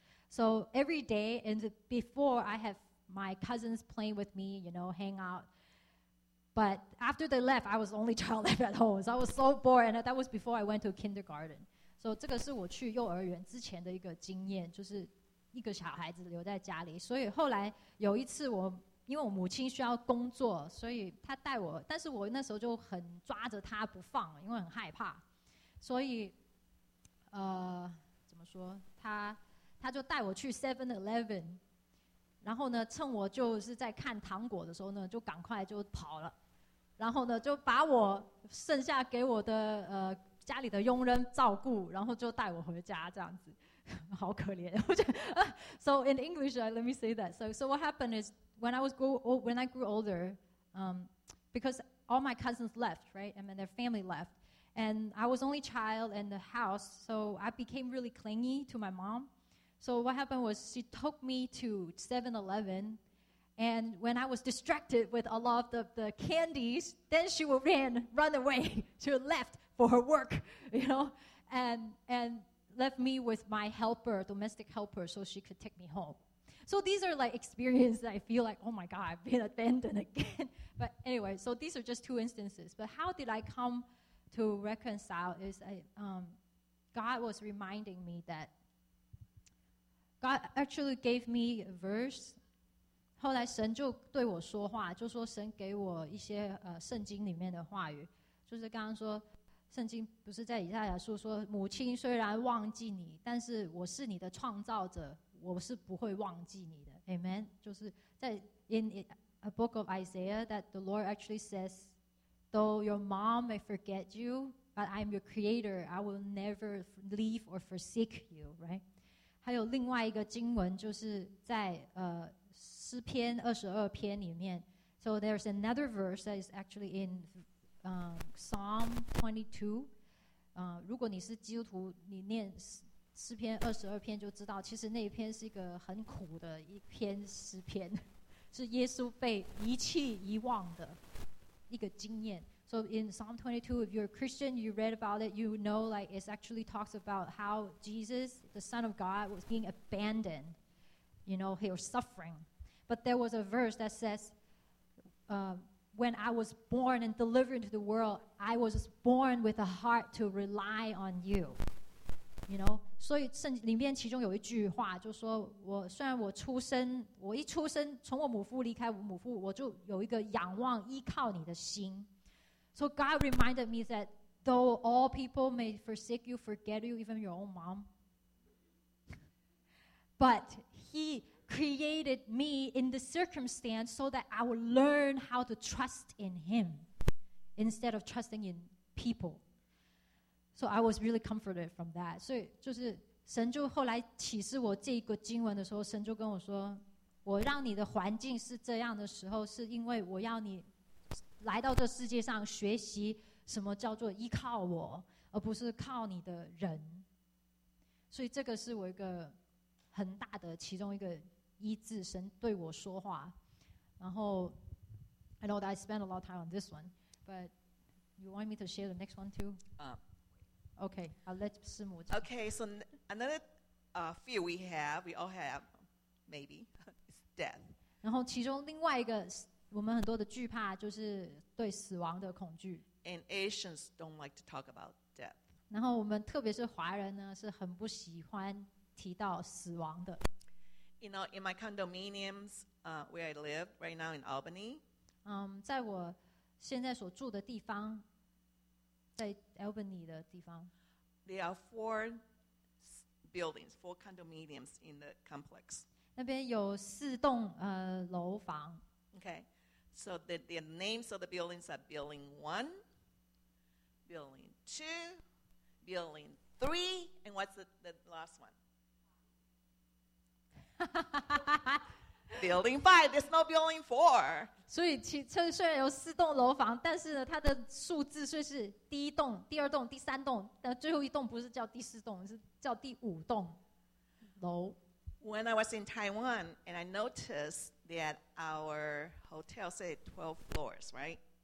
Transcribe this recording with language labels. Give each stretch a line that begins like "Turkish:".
English: So every day and before I have my cousins playing with me, you know, hang out. But after they left, I was the only child left at home. So I was so bored. And that was before I went to kindergarten.
Chinese: So 这个是我去幼儿园之前的一个经验，就是一个小孩子留在家里。所以后来有一次我，因为我母亲需要工作，所以她带我，但是我那时候就很抓着她不放，因为很害怕。所以怎么说，她就带我去 7-Eleven。然后呢，趁我就是在看糖果的时候呢，就赶快就跑了，然后呢，就把我剩下给我的家里的佣人照顾，然后就带我回家这样子，好可怜。
English: So in English, let me say that. So what happened is when I grew older, because all my cousins left, right? I mean, their family left, and I was only child in the house, so I became really clingy to my mom. So what happened was she took me to 7-Eleven, and when I was distracted with a lot of the candies, then she would run away to left for her work, you know, and left me with my helper, domestic helper, so she could take me home. So these are like experiences that I feel like, oh my God, I've been abandoned again. But anyway, so these are just two instances. But how did I come to reconcile is God was reminding me that,God actually gave me a verse.
Chinese: 后来神就对我说话，就说神给我一些圣经里面的话语，就是刚刚说圣经不是在以赛亚书说，母亲虽然忘记你，但是我是你的创造者，我是不会忘记你的。
English: Amen.
Chinese: 就是在
English: in a book of Isaiah that the Lord actually says, though your mom may forget you, but I'm your creator. I will never leave or forsake you. Right.
Chinese: 还有另外一个经文，就是在诗篇二十二篇里面。
English: So there's another verse that is actually in Psalm 22.
Chinese: 如果你是基督徒，你念诗篇二十二篇就知道，其实那一篇是一个很苦的一篇诗篇，是耶稣被遗弃遗忘的一个经验。
English: So in Psalm 22, if you're a Christian, you read about it, you know, like, it actually talks about how Jesus, the Son of God, was being abandoned, you know, he was suffering. But there was a verse that says, when I was born and delivered into the world, I was born with a heart to rely on you. You know,
Chinese: 所以圣里面其中有一句话就说我虽然我出生我一出生从我母腹离开我母腹我就有一个仰望依靠你的心
English: So God reminded me that though all people may forsake you, forget you, even your own mom but he created me in the circumstance so that I would learn how to trust in him instead of trusting in people So I was really comforted from that.
Chinese: 所以就是神就后来启示我这一个经文的时候，神就跟我说，我让你的环境是这样的时候，是因为我要你来到这世界上学习什么叫做依靠我，而不是靠你的人。所以这个是我一个很大的其中一个医治，神对我说话。
English: 然后 I know that I spend a lot of time on this one, but you want me to share the next one too? Okay, I'll let
Chinese: 师母讲。
English: Okay, so another fear we have, we all have, maybe, is death.
Chinese: 然后其中另外一个我们很多的惧怕就是对死亡的恐惧。
English: And Asians don't like to talk about death.
Chinese: 然后我们特别是华人呢是很不喜欢提到死亡的。
English: You know, in my condominiums, where I live right now in Albany.
Chinese: 在我现在所住的地方。在 Albany 的地方
English: There are four buildings, four condominiums in the complex.
Chinese: 那边有四栋楼房
English: Okay, so the names of the buildings are Building 1, Building 2, Building 3, and what's the last one? Building 5, there's no Building 4.
Chinese: 所以其实虽然有四栋楼房，但是呢，它的数字却是第一栋、第二栋、第三栋，但最后一栋不是叫第四栋，是叫第五栋楼。
English: When I was in Taiwan, and I noticed that our hotel said 12 floors, right?